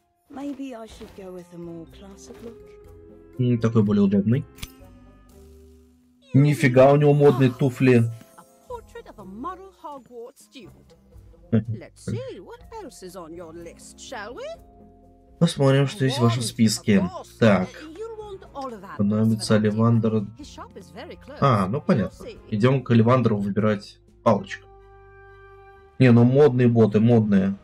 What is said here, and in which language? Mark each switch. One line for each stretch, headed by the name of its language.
English: Maybe I should go with a more classic look.
Russian: Такой более удобный. Нифига, у него модные туфли.
English: A portrait of a model Hogwarts student. Let's see what else is on your list, shall we?
Russian: Посмотрим, что есть в вашем списке. Так. Понадобится Оливандр. А, ну понятно. Идем к Оливандру выбирать палочку. Не, ну модные боты, модные.